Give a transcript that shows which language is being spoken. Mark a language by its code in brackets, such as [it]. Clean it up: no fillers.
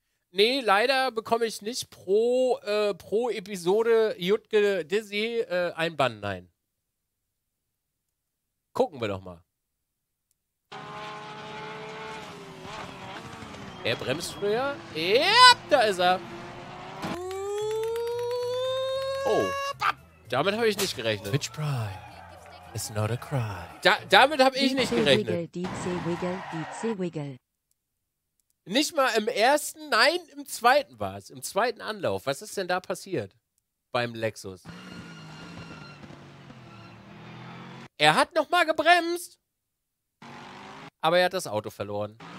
[de] Nee, leider bekomme ich nicht pro Episode Jutke Dizzy ein Bann, nein. Gucken wir doch mal. Er bremst früher. Ja, da ist er. Oh. Damit habe ich nicht gerechnet. [en] Twitch Prime is not a crime. [de] Damit habe ich nicht gerechnet. DC Wiggle. Nicht mal im ersten, nein, im zweiten war es. Im zweiten Anlauf. Was ist denn da passiert? Beim Lexus. Er hat nochmal gebremst. Aber er hat das Auto verloren.